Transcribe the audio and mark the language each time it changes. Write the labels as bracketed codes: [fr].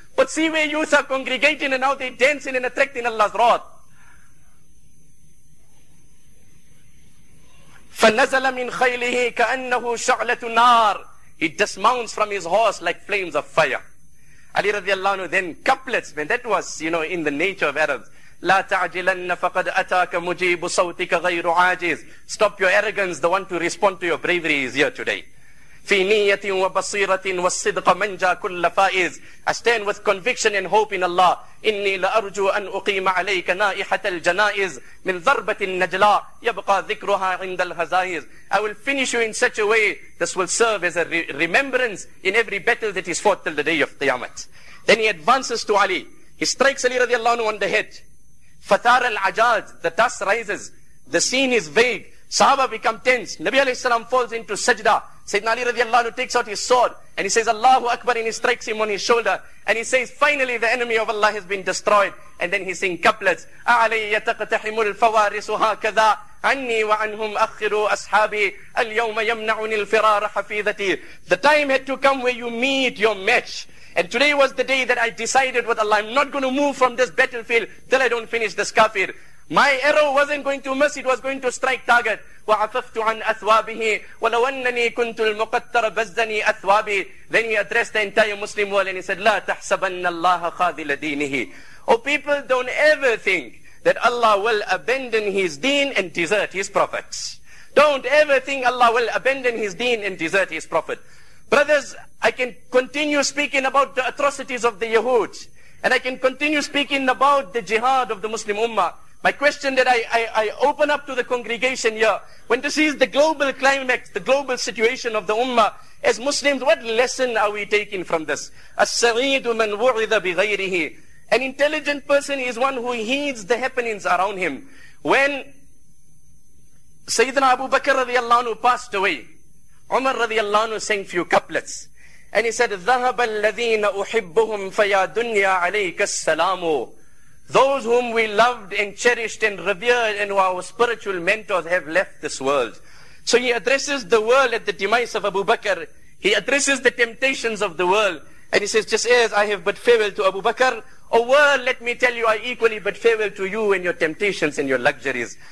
[en] But see where youth are congregating and how they're dancing and attracting Allah's wrath. [ar] فَنَزَلَ مِنْ خَيْلِهِ كَأَنَّهُ شَعْلَةُ نَارِ. [en] He dismounts from his horse like flames of fire. Ali radiallahu anhu then couplets, man, that was, you know, in the nature of Arabs. [ar] لا تعجلن فقد أتاك مجيب صوتك غير عاجز. [en] Stop your arrogance, the one to respond to your bravery is here today. [ar] في نية وبصيرة والصدق منجا كل فائز. [en] I stand with conviction and hope in Allah. [ar] إني لأرجو أن أقيم عليك نائحة الجنائز من ضربة النجلاء يبقى ذكرها عند الهزائز. [en] I will finish you in such a way this will serve as a remembrance in every battle that is fought till the day of Qiyamah. Then he advances to Ali. He strikes Ali radiallahu anhu on the head. [ar] فثار العجاج. [en] The dust rises. The scene is vague. Sahaba become tense. Nabi alayhi salam falls into sajda. Sayyidina Ali radiallahu anhu takes out his sword and he says Allahu Akbar and he strikes him on his shoulder and he says finally the enemy of Allah has been destroyed. And then he sings couplets. [ar] أَعَلَيَّ تَقْتَحِمُ الْفَوَارِسُ هَكَذَا عَنِّي وَعَنْهُمْ أَخِّرُوا أَصْحَابِي الْيَوْمَ يَمْنَعُنِ الْفِرَارَ حَفِيذَتِي. [en] The time had to come where you meet your match. And today was the day that I decided with Allah, I'm not going to move from this battlefield till I don't finish this kafir. My arrow wasn't going to miss, it was going to strike target. [ar] وَعَفَفْتُ عَنْ أَثْوَابِهِ وَلَوْ أَنَّنِي كُنْتُ الْمُقَتَّرَ بَزَّنِي أَثْوَابِ. [en] Then he addressed the entire Muslim world and he said, [ar] لَا تَحْسَبَنَّ اللَّهَ خَاذِلَ دِينِهِ. [en] Oh people, don't ever think that Allah will abandon his deen and desert his prophets. Don't ever think Allah will abandon his deen and desert his prophet. Brothers, I can continue speaking about the atrocities of the Yahud. And I can continue speaking about the jihad of the Muslim Ummah. My question that I open up to the congregation here, when this is the global climax, the global situation of the Ummah, as Muslims, what lesson are we taking from this? [ar] As-sa'idu man wu'idha bighayrihi. [en] An intelligent person is one who heeds the happenings around him. When Sayyidina Abu Bakr radiallahu anhu passed away, Umar radiallahu anhu sang few couplets. And he said, [ar] ذَهَبَ الَّذِينَ أُحِبُّهُمْ فَيَا دُنْيَا عَلَيْكَ السَّلَامُ. [en] Those whom we loved and cherished and revered and who our spiritual mentors have left this world. So he addresses the world at the demise of Abu Bakr. He addresses the temptations of the world. And he says, just as I have bid farewell to Abu Bakr, O world, let me tell you, I equally bid farewell to you and your temptations and your luxuries.